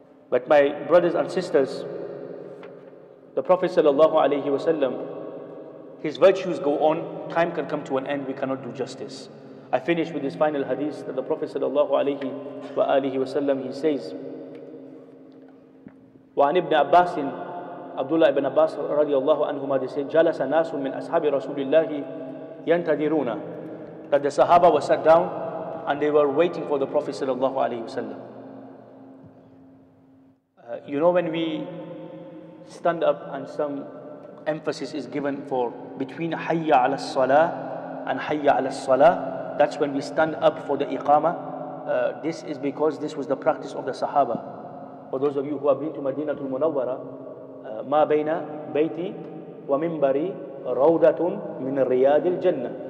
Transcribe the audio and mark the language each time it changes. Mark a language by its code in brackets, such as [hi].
[en] But my brothers and sisters, the Prophet sallallahu alayhi wa sallam, his virtues go on, time can come to an end, we cannot do justice. I finish with this final hadith that the Prophet sallallahu alayhi wa sallam, he says, [ar] وعن ابن عباس عبد الله بن عباس رضي الله عنهما جلس ناس من أصحاب رسول الله ينتظرون [en] that the Sahaba was sat down and they were waiting for the Prophet [ar] صلى الله عليه وسلم. [en] You know, when we stand up and some emphasis is given for between Hayya ala Salah and Hayya ala Salah, that's when we stand up for the Iqama. This is because this was the practice of the Sahaba. For those of you who have been to Madinatul Munawwara, [ar] Ma Baina Bayti wa Mimbari Rawdatun Min Riyadil Jannah.